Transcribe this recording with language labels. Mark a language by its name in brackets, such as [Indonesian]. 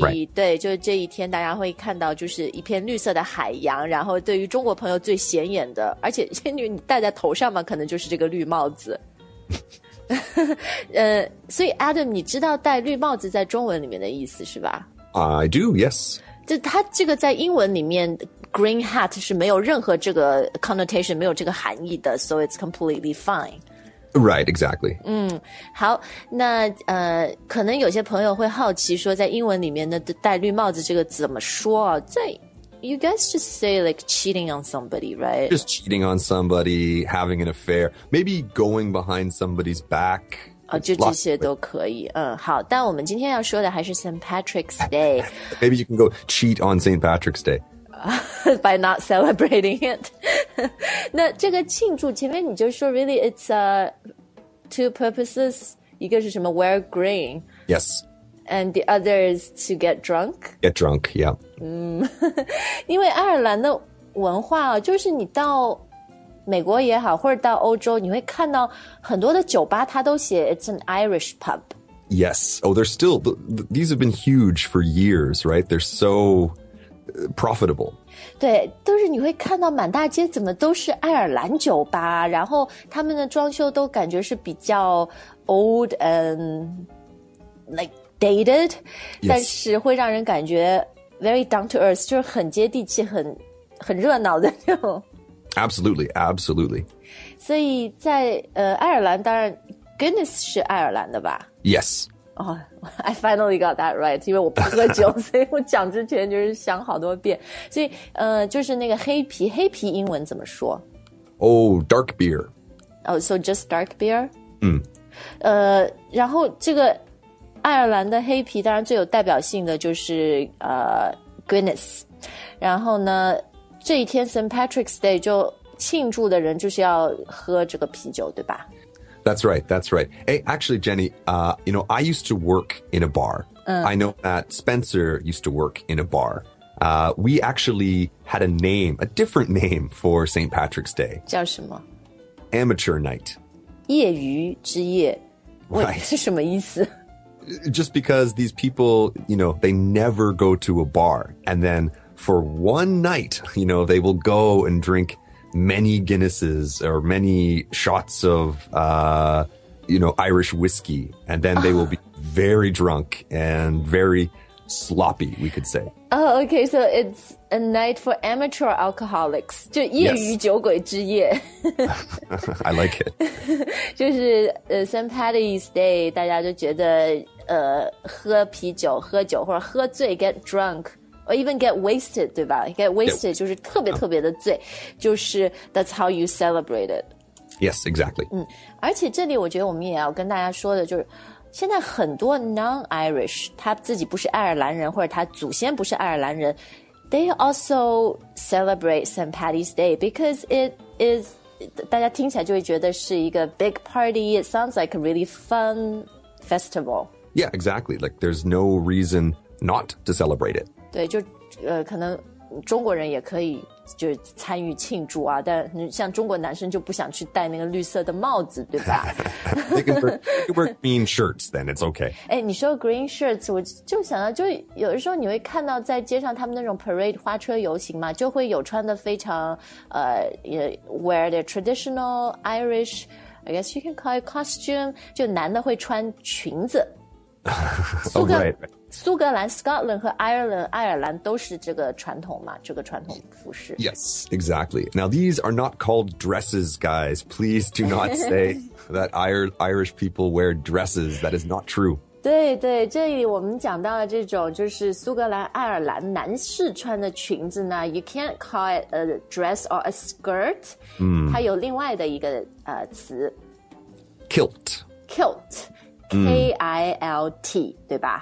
[English] right. [Chinese] 对，就这一天大家会看到就是一片绿色的海洋，然后对于中国朋友最显眼的，而且仙女你戴在头上嘛，可能就是这个绿帽子。所以 Adam, 你知道戴绿帽子在中文里面的意思是吧？ [English] I do, yes. [Chinese] 就它这个在英文里面 green hat 是没有任何这个 connotation, 没有这个含义的 [English] so it's completely fine. Right, exactly. [Chinese] 嗯，好，那可能有些朋友会好奇说在英文里面的戴绿帽子这个怎么说啊？ [English] 在 you guys just say like cheating on somebody, right? Just cheating on somebody, having an affair, maybe going behind somebody's back. [Chinese] 就这些都可以嗯，好但我们今天要说的还是 St. [English] Patrick's Day Maybe you can go cheat on St. Patrick's Day By not celebrating it [Chinese] 那这个庆祝前面你就说 [English] Really it's two purposes [Chinese] 一个是什么 [English] wear green Yes And the other is to get drunk Get drunk, yeah [Chinese] 嗯，因为爱尔兰的文化、啊、就是你到美国也好或者到欧洲你会看到很多的酒吧它都写 [English] It's an Irish pub Yes, oh they're still These have been huge for years, right? They're so profitable [Chinese] 对都是你会看到满大街怎么都是爱尔兰酒吧然后他们的装修都感觉是比较 [English] old and like dated、 yes. [Chinese] 但是会让人感觉 [English] very down to earth [Chinese] 就是很接地气 很热闹的那种 [English] Absolutely, absolutely. [Chinese] 所以在爱尔兰当然 Guinness 是爱尔兰的吧 [English] Yes. Oh, I finally got that right, [Chinese] 因为我不喝酒所以我讲之前就是想好多遍。所以就是那个黑啤英文怎么说 [English] Oh, dark beer. Oh, so just dark beer? 嗯。 [Chinese] 然后这个爱尔兰的黑啤当然最有代表性的就是Guinness. 然后呢这一天 St. Patrick's Day 就庆祝的人就是要喝这个啤酒对吧 [English] That's right, that's right Hey, actually Jenny, you know, I used to work in a bar、嗯、 I know that Spencer used to work in a bar We actually had a name, a different name for St. Patrick's Day [Chinese] 叫什么 [English] Amateur Night [Chinese] 业余之夜 [English] Right [Chinese] 是什么意思 [English] Just because these people, you know, they never go to a bar And thenFor one night, you know, they will go and drink many Guinnesses or many shots of, you know, Irish whiskey. And then they will be very drunk and very sloppy, we could say. Oh, okay. So it's a night for amateur alcoholics. [Chinese] 就业余酒鬼之夜。 [English] I like it. [Chinese] 就是St. Patty's Day, 大家就觉得喝啤酒、喝酒或者喝醉 [English] get drunk. Or even get wasted, [Chinese] 对吧 [English] Get wasted, yeah, [Chinese] 就是特别特别的醉、就是 [English] that's how you celebrate it. Yes, exactly.、 [Chinese] 嗯、而且这里我觉得我们也要跟大家说的就是现在很多 non-Irish, 他自己不是爱尔兰人或者他祖先不是爱尔兰人 [English] they also celebrate St. Paddy's Day because it is, [Chinese] 大家听起来就会觉得是一个 [English] big party, it sounds like a really fun festival. Yeah, exactly. Like, there's no reason not to celebrate it. [Chinese] 对就可能中国人也可以就参与庆祝啊但像中国男生就不想去戴那个绿色的帽子对吧 [English] They can wear green shirts then, it's okay. [Chinese] 哎你说 green shirts, 我就想到就有的时候你会看到在街上他们那种 parade 花车游行嘛就会有穿的非常 [English] wear their traditional Irish, I guess you can call it costume, [Chinese] 就男的会穿裙子。 [English] oh, right, right. [Chinese] 苏格兰 Scotland 和 Ireland 爱尔兰都是这个传统嘛这个传统服饰 [English] Yes, exactly Now these are not called dresses, guys Please do not say that Irish people wear dresses That is not true [Chinese] 对对这里我们讲到的这种就是苏格兰爱尔兰男士穿的裙子呢 [English] You can't call it a dress or a skirt、 mm. [Chinese] 它有另外的一个词 [English] Kilt Kilt K-I-L-T、mm. [Chinese] 对吧